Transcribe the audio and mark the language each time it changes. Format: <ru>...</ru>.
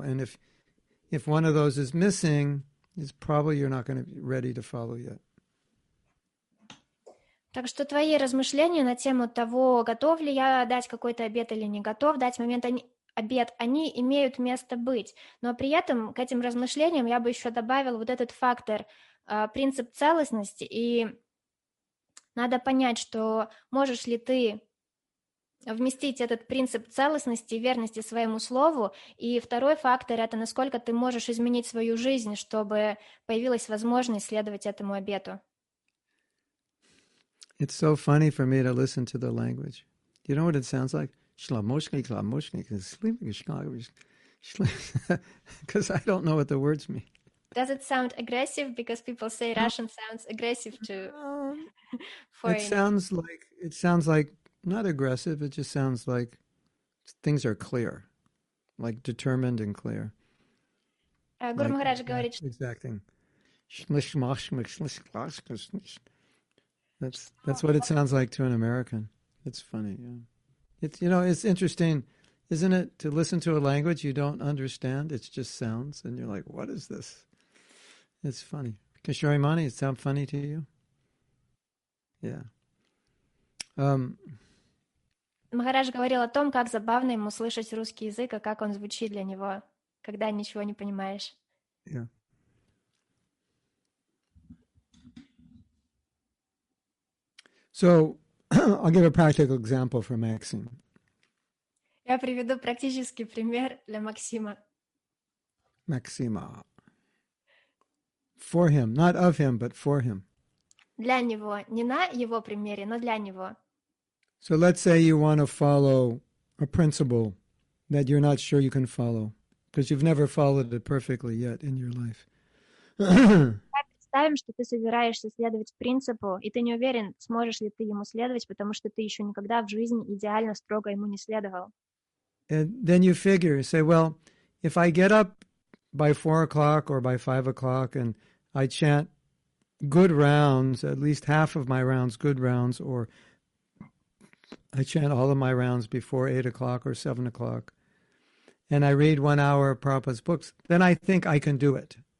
<en>And if one of those is missing, it's probably you're not going to be ready to follow yet.</en> <ru>Так что твои размышления на тему того, готов ли я дать какой-то обет или не готов дать момент обет, они имеют место быть. Но при этом к этим размышлениям я бы еще добавил вот этот фактор, принцип целостности, и надо понять, что можешь ли ты вместить этот принцип целостности и верности своему слову. И второй фактор — это насколько ты можешь изменить свою жизнь, чтобы появилась возможность следовать этому обету.</ru> <en>It's so funny for me to listen to the language. You know what it sounds like? Шламошки, кламошки, слимки, шкагови, because I don't know what the words mean. Does it sound aggressive? Because people say Russian sounds aggressive to foreigners. It sounds like not aggressive. It just sounds like things are clear, like determined and clear.</en> <ru>Гуру Махарадж говорит.</ru> <en>Exactly. That's what it sounds like to an American. It's funny. Yeah. It's interesting, isn't it, to listen to a language you don't understand? It's just sounds, and you're like, what is this? It's funny. Kishorimani, it sound funny to you? Yeah.</en> <ru>Махарадж говорил о том, как забавно ему слышать русский язык, а как он звучит для него, когда ничего не понимаешь.</ru> <en>Yeah. So, I'll give a practical example for Maxim.</en> <ru>Я приведу практический пример для Максима. Максима.</ru> <en>For him, not of him, but for him.</en> <ru>Для него, не на его примере, но для него.</ru> <en>So let's say you want to follow a principle that you're not sure you can follow, because you've never followed it perfectly yet in your life.</en> <ru>Представим, что ты собираешься следовать принципу, и ты не уверен, сможешь ли ты ему следовать, потому что ты еще никогда в жизни идеально строго ему не следовал.</ru> <en>And then you figure, say, well, if I get up by 4 o'clock or by 5 o'clock and I chant good rounds, at least half of my rounds, good rounds, or I chant all of my rounds before 8 o'clock or 7 o'clock, and I read 1 hour of Prabhupada's books, then I think I can do it.</en>